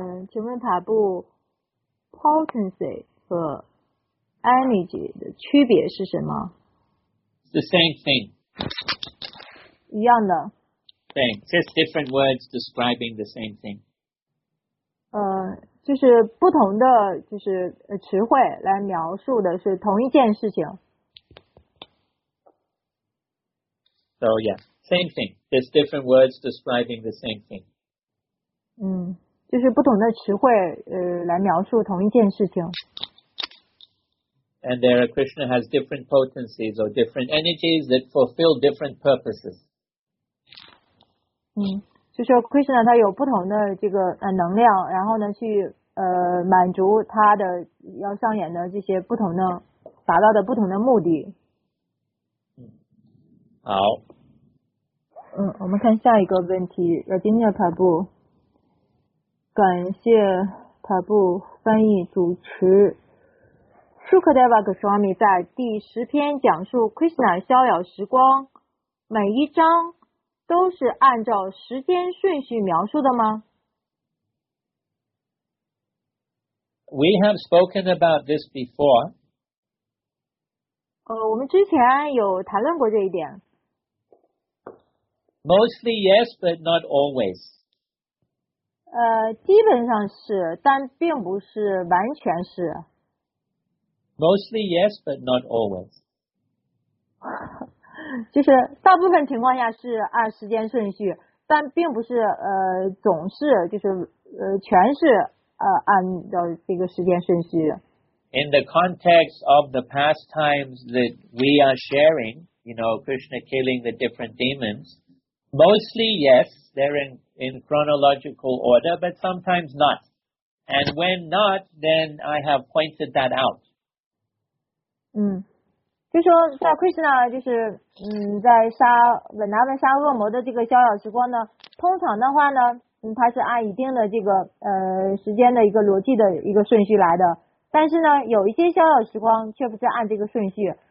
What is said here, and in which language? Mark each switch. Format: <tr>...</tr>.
<zh>请问塔布 potency 和 energy 的区别是什么？</zh> <en>It's the same thing.</en> <zh>一样的。</zh> <en>Same, just different words describing the same thing.</en> <zh>就是不同的就是词汇来描述的是同一件事情。</zh> <en>So yeah. Same thing. There's different words describing the same thing.</en> <zh>就是不同的词汇来描述同一件事情。</zh> <en>And there Krishna has different potencies or different energies that fulfill different purposes.</en> <zh>就说 Krishna 他有不同的这个能量，然后呢去满足他的要上演的这些不同的达到的不同的目的。好。我们看下一个问题。 Rajinia Prabhu， 感谢 Prabhu 翻译主持。 Shukadeva Goswami 在第十篇讲述 Krishna 逍遥时光，每一章都是按照时间顺序描述的吗？</zh> <en>We have spoken about this before.</en> <zh>我们之前有谈论过这一点。</zh> <en>Mostly yes, but not always.</en> <zh>基本上是，但并不是完全是。</zh> <en>Mostly yes, but not always.</en> <zh>就是大部分情况下是按时间顺序，但并不是总是就是全是按照这个时间顺序。</zh> <en>In the context of the pastimes that we are sharing, you know, Krishna killing the different demons. Mostly, yes, they're in chronological order, but sometimes not. And when not, then I have pointed that out.</en> <zh>就说在 Krishna 就是在杀文达文杀恶魔的这个逍遥时光呢，通常的话呢，它是按一定的这个时间的一个逻辑的一个顺序来的。但是呢，有一些逍遥时光却不是按这个顺序。</zh>